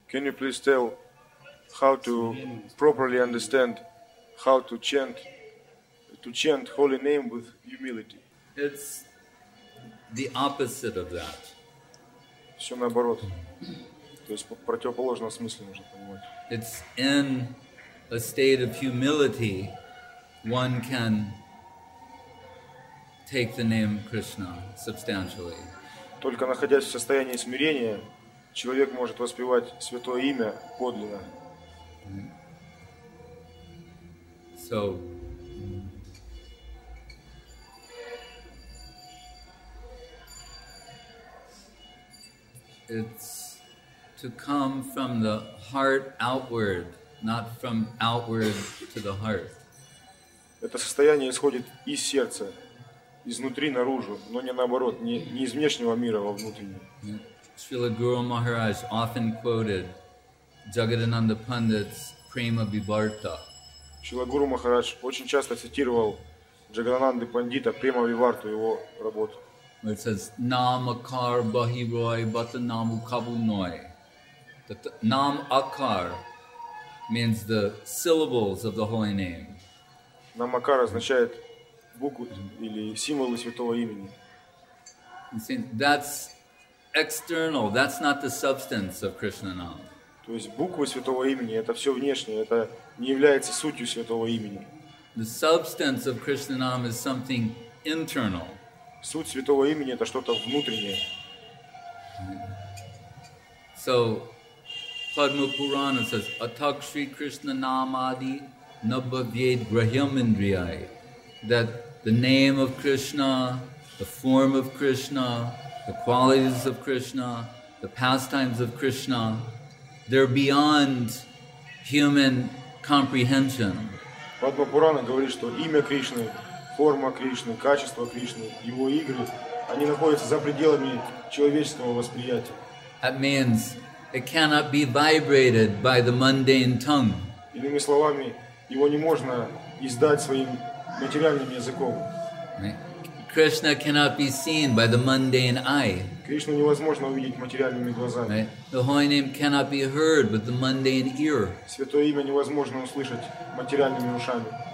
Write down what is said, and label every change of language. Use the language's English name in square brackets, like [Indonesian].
[English] Can you please tell how to properly understand how to chant holy name with humility? It's the opposite of that. [Russian] Все наоборот. То есть противоположного смысла нужно понимать. [English] It's in a state of humility one can take the name Krishna substantially. [Russian] Только находясь в состоянии смирения, человек может воспевать святое имя подлинно. [English] So, it's to come from the heart outward, not from outward to the heart. [Russian] Это состояние исходит из сердца, изнутри наружу, но не наоборот, не из внешнего мира во внутреннее. [English] Srila Guru Maharaj often quoted Jagadananda Pandit's Prema Vivarta. [Russian] Srila Guru Maharaj очень часто цитировал Джагадананды Пандита Према Виварту, его работу. [English] It says [Bangla] Nam Akar Bahiroi Batanamu Kabunoi. [English] Nam Akar means the syllables of the holy name. [Russian] Nam Akar означает буквы или символы святого имени. [English] That's external, that's not the substance of Krishna Nam. [Russian] То есть буквы святого имени — это все внешнее, это не является сутью святого имени. [English] The substance of Krishna Nam is something internal. [Russian] Суть святого имени — это что-то внутреннее. [English] So Padma Purana says [Sanskrit] Atak Shri Krishna Namadi Nabhavyed Grahyamindriyai, [English] that the name of Krishna, the form of Krishna, the qualities of Krishna, the pastimes of Krishna, they're beyond human comprehension. [Russian] Padma Purana говорит, что имя Кришны, форма Кришны, качество Кришны, его игры, они находятся за пределами человеческого восприятия. [English] That means it cannot be vibrated by the mundane tongue. [Russian] Иными словами, его не можно издать своим материальным языком. [English] Krishna cannot be seen by the mundane eye. [Russian] Кришну невозможно увидеть материальными глазами. [English] The holy name cannot be heard with the mundane ear. [Russian] Святое имя невозможно услышать материальными ушами.